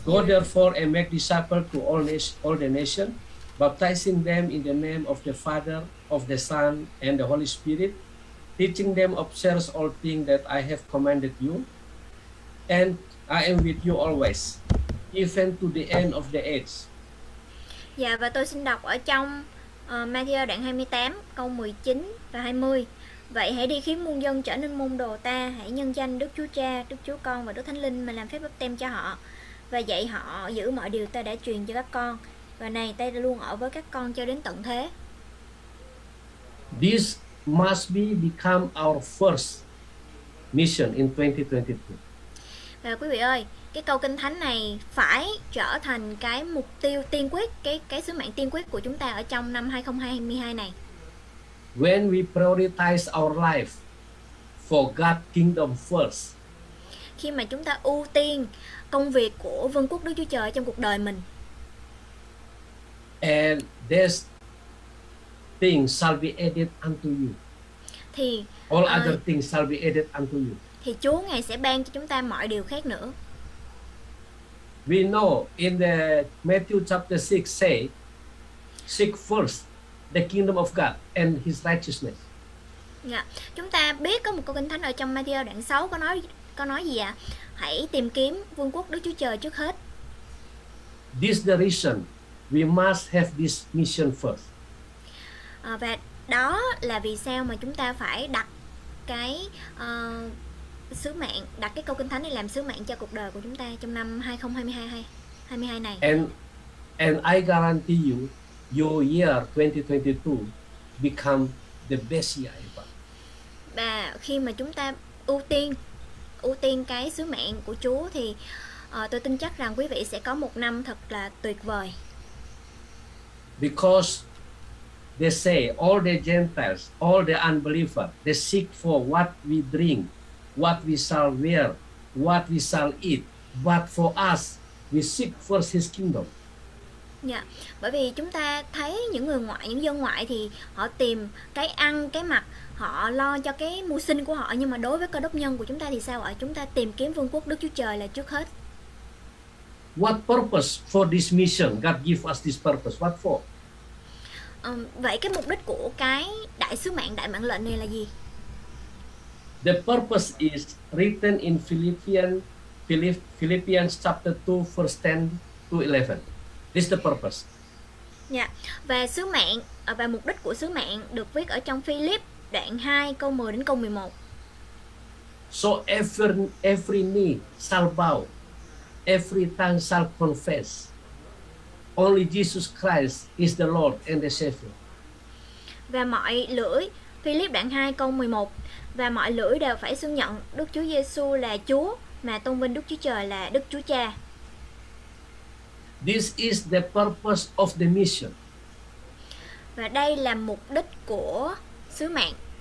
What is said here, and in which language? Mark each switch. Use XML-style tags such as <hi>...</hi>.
<en>Go therefore and make disciples to all the nations, baptizing them in the name of the Father, of the Son, and the Holy Spirit, teaching them observe all things that I have commanded you, and I am with you always, even to the end of the age.</en> <vi>Dạ, và tôi xin đọc ở trong Matthew đoạn 28 câu 19 và 20. Vậy hãy đi khiến muôn dân trở nên môn đồ ta, hãy nhân danh Đức Chúa Cha, Đức Chúa Con và Đức Thánh Linh mà làm phép báp têm cho họ và dạy họ giữ mọi điều ta đã truyền cho các con. Và này, ta luôn ở với các con cho đến tận thế.</vi> <en>This must be become our first mission in 2022.</en> <vi>Và quý vị ơi, cái câu kinh thánh này phải trở thành cái mục tiêu tiên quyết, cái sứ mạng tiên quyết của chúng ta ở trong năm 2022 này.</vi> <en>When we prioritize our life for God's kingdom first.</en> <vi>Khi mà chúng ta ưu tiên công việc của vương quốc Đức Chúa Trời trong cuộc đời mình.</vi> <en>And this thing shall be added unto you.</en> <vi>Thì</vi> <en>all other things shall be added unto you.</en> <vi>Thì Chúa ngài sẽ ban cho chúng ta mọi điều khác nữa.</vi> <en>We know in the Matthew chapter 6 say seek first the kingdom of God and his righteousness. Yeah.</en> <vi>Chúng ta biết có một câu kinh thánh ở trong Matthew đoạn 6 có nói gì ạ? Hãy tìm kiếm vương quốc Đức Chúa Trời trước hết.</vi> <en>This is the reason we must have this mission first.</en> <vi>Và đó là vì sao mà chúng ta phải đặt cái sứ mạng, đặt cái câu kinh thánh này làm sứ mạng cho cuộc đời của chúng ta trong năm 2022 này.</vi> <en>And I guarantee you, your year 2022 become the best year ever.</en> <vi>Và khi mà chúng ta ưu tiên cái sứ mạng của Chúa thì tôi tin chắc rằng quý vị sẽ có một năm thật là tuyệt vời.</vi> <en>Because they say all the Gentiles, all the unbelievers, they seek for what we drink, what we shall wear, what we shall eat, but for us, we seek first his kingdom. Yeah.</en> <vi>Bởi vì chúng ta thấy những người ngoại, những dân ngoại thì họ tìm cái ăn, cái mặc, họ lo cho cái mưu sinh của họ, nhưng mà đối với cơ đốc nhân của chúng ta thì sao ạ? Chúng ta tìm kiếm vương quốc Đức Chúa Trời là trước hết.</vi> <en>What purpose for this mission? God give us this purpose. What for?</en> <vi>Vậy cái mục đích của cái đại sứ mạng, đại mạng lệnh này là gì?</vi> <en>The purpose is written in Philippians chapter 2 verse 10 to 11. This is the purpose.</en> <vi>Và sứ mạng và mục đích của sứ mạng được viết ở trong Philip đoạn 2 câu 10 đến câu 11.</vi> <en>So every knee shall bow, every tongue shall confess. Only Jesus Christ is the Lord and the Savior.</en> <vi>Và mọi lưỡi, Philip đoạn 2 câu 11, và mọi lưỡi đều phải xưng nhận Đức Chúa Giêsu là Chúa, mà tôn vinh Đức Chúa Trời là Đức Chúa Cha.</vi> <en>This is the purpose of the mission.</en> <vi>Và đây là mục đích của sứ mạng.</vi>